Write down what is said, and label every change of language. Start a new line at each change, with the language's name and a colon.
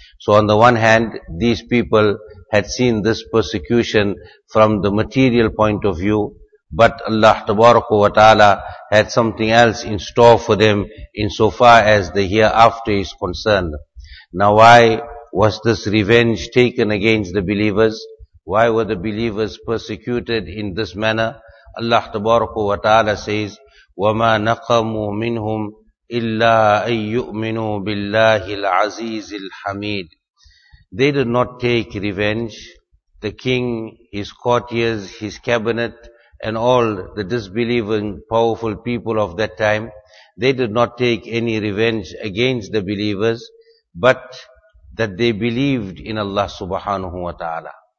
English: So on the one hand, these people had seen this persecution from the material point of view, but Allah tabaraka wa ta'ala had something else in store for them insofar as the hereafter is concerned. Now why was this revenge taken against the believers? Why were the believers persecuted in this manner?
Arabic: Allah tabaraka wa ta'ala says, وَمَا نَقَمُوا مِنْهُمْ إِلَّا أَن يُؤْمِنُوا بِاللَّهِ الْعَزِيزِ الْحَمِيدِ.
English: They did not take revenge. The king, his courtiers, his cabinet, and all the disbelieving powerful people of that time, they did not take any revenge against the believers, but that they believed in Allah subhanahu wa ta'ala.